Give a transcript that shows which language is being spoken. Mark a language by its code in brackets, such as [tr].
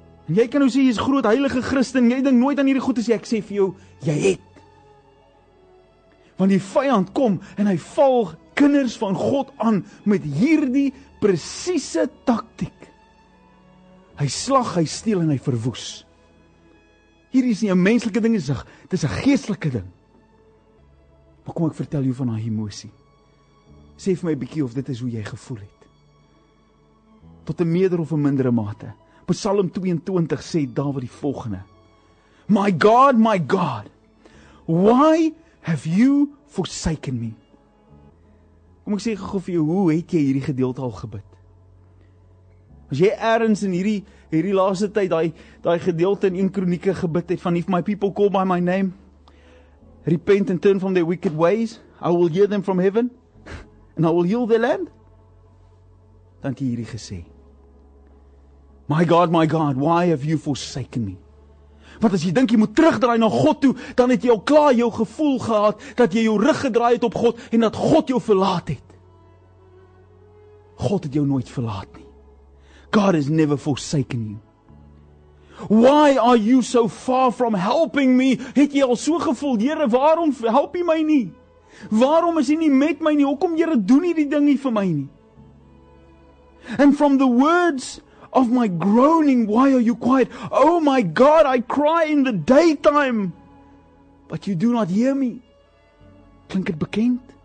[af] En jy kan nou sê jy is groot heilige Christen, jy dink nooit aan hierdie goed as jy ek sê vir jou, jy het. Want die vyand kom en hy val kinders van God aan met hierdie presiese taktiek. Hy slag, hy steel en hy verwoes. Hier is nie 'n menslike ding, dit is 'n geestelike ding. Maar kom ek vertel jou van haar emosie. Sê vir my 'n bietjie of dit is hoe jy gevoel het. Tot 'n meerder of 'n mindere mate. Psalm 22 sê Dawid die volgende. [en] My God, why have you forsaken me? [af] Kom ek sê gou vir jou, hoe het jy hierdie gedeelte al gebid? As jy ergens in hierdie laaste tyd daai gedeelte in 1 Kronieke gebid het van [en] if my people call by my name, repent and turn from their wicked ways, I will hear them from heaven and I will heal their land. [af] Dan het jy hierdie gesê. [en] My God, why have you forsaken me? [af] Want as jy dink jy moet terugdraai na God toe, dan het jy al klaar jou gevoel gehad, dat jy jou rug gedraai het op God, en dat God jou verlaat het. God het jou nooit verlaat nie. [en] God has never forsaken you. Why are you so far from helping me? [af] Het jy al so gevoel, Here, waarom help jy my nie? Waarom is jy nie met my nie? Hoekom, Here, doen jy die ding nie vir my nie? [en] And from the words of my groaning, why are you quiet? Oh my God, I cry in the daytime, but you do not hear me. [af] Klink dit bekend?